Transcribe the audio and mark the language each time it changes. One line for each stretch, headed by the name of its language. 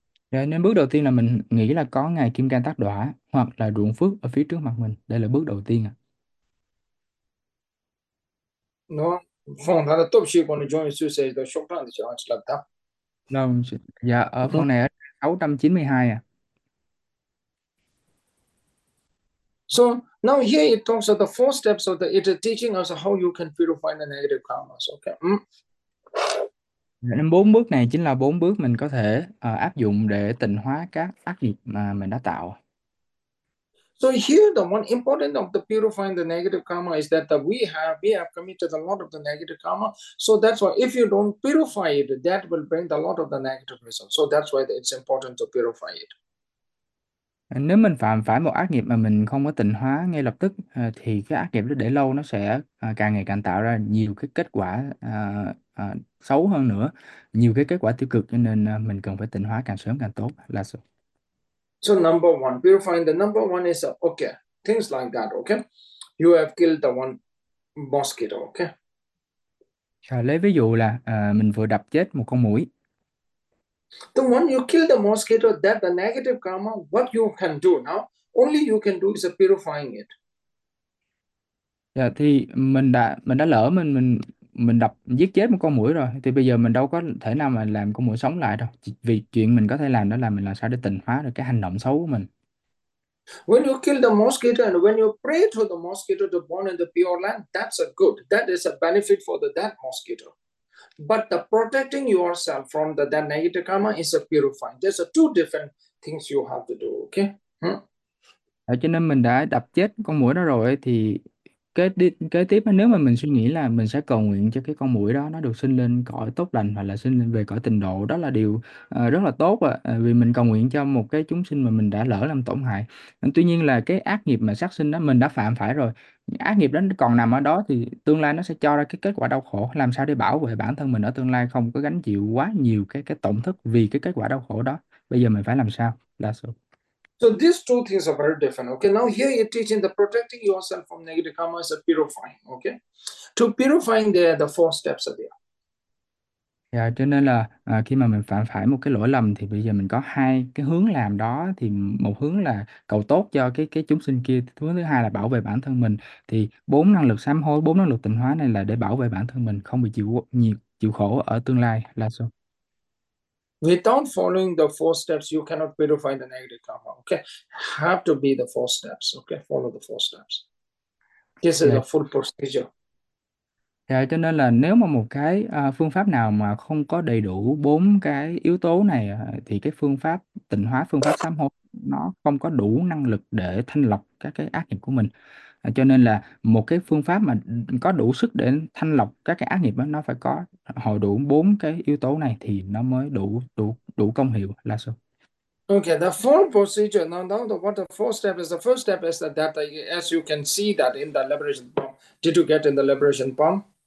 Vietnamese: Dạ, nên bước đầu tiên là mình nghĩ là có ngài Kim Cang Tát Đỏa hoặc là ruộng phước ở phía trước mặt mình. Đây là bước đầu tiên ạ.
English: No, from the top she gonna join you to say the short plan that you want to like
Vietnamese: Đâu, dạ, ở
English: that.
Vietnamese: phần này ở 692 ạ.
English: So now here it talks of the four steps of the it is teaching us how you can purify the negative karmas. Okay.
Vietnamese: Nên bốn bước này chính là bốn bước mình có thể áp dụng để tịnh hóa các ác nghiệp mà mình đã tạo.
English: So here the one important of the purifying the negative karma is that we have committed a lot of the negative karma. So that's why if you don't purify it, that will bring a lot of the negative results. So that's why it's important to purify it.
Vietnamese: Nếu mình phạm phải một ác nghiệp mà mình không có tịnh hóa ngay lập tức thì cái ác nghiệp đó để lâu nó sẽ càng ngày càng tạo ra nhiều cái kết quả xấu hơn nữa, nhiều cái kết quả tiêu cực, cho nên mình cần phải tịnh hóa càng sớm càng tốt là sớm.
English: So number one, purifying the number one is okay. Things like that, okay. You have killed the one mosquito, okay.
Vietnamese: Lấy ví dụ là mình vừa đập chết một con muỗi.
English: The one you kill the mosquito, that the negative karma, what you can do now, only you can do is purifying it.
Vietnamese: Yeah, thì mình đã lỡ mình đập giết chết một con muỗi rồi, thì bây giờ mình đâu có thể nào mà làm con muỗi sống lại đâu. Vì chuyện mình có thể làm đó là mình làm sao để tịnh hóa được cái hành động xấu của mình.
English: When you kill the mosquito and when you pray to the mosquito to born in the pure land, that's a good. That is a benefit for that mosquito. But the protecting yourself from that negative karma is a purifying. There's a two different things you have to do. Okay?
Vietnamese: Cho nên mình đã đập chết con muỗi đó rồi thì kế tiếp nếu mà mình suy nghĩ là mình sẽ cầu nguyện cho cái con muỗi đó nó được sinh lên cõi tốt lành hoặc là sinh lên về cõi tịnh độ, đó là điều rất là tốt ạ, vì mình cầu nguyện cho một cái chúng sinh mà mình đã lỡ làm tổn hại. Tuy nhiên là cái ác nghiệp mà sát sinh đó mình đã phạm phải rồi, ác nghiệp đó còn nằm ở đó thì tương lai nó sẽ cho ra cái kết quả đau khổ, làm sao để bảo vệ bản thân mình ở tương lai không có gánh chịu quá nhiều cái tổn thất vì cái kết quả đau khổ đó. Bây giờ mình phải làm sao? Là số.
English: So these two things are very different. Okay, now here you're teaching the protecting yourself from negative karma is a purifying. Okay, to purifying the four steps are there.
Vietnamese: Yeah, cho nên là khi mà mình phạm phải một cái lỗi lầm thì bây giờ mình có hai cái hướng làm đó, thì một hướng là cầu tốt cho cái chúng sinh kia, hướng thứ hai là bảo vệ bản thân mình, thì bốn năng lực sám hối, bốn năng lực tịnh hóa này là để bảo vệ bản thân mình không bị chịu nhiều chịu khổ ở tương lai là sao.
English: Without following the four steps, you cannot purify the negative karma. Okay, have to be the four steps. Okay, follow the four steps. This is Yeah. a full procedure.
Vietnamese: Yeah, cho nên là nếu mà một cái phương pháp nào mà không có đầy đủ bốn cái yếu tố này thì cái phương pháp tịnh hóa, phương pháp sám hối nó không có đủ năng lực để thanh lọc các cái ác nghiệp của mình. Cho nên là một cái phương pháp mà có đủ sức để thanh lọc các cái ác nghiệp đó, nó phải có hội đủ bốn cái yếu tố này thì nó mới đủ đủ đủ công hiệu là sao.
English: Okay, the four procedure. Now, what the four step is? The first step is that, as you can see that in the liberation palm, did you get in the liberation palm?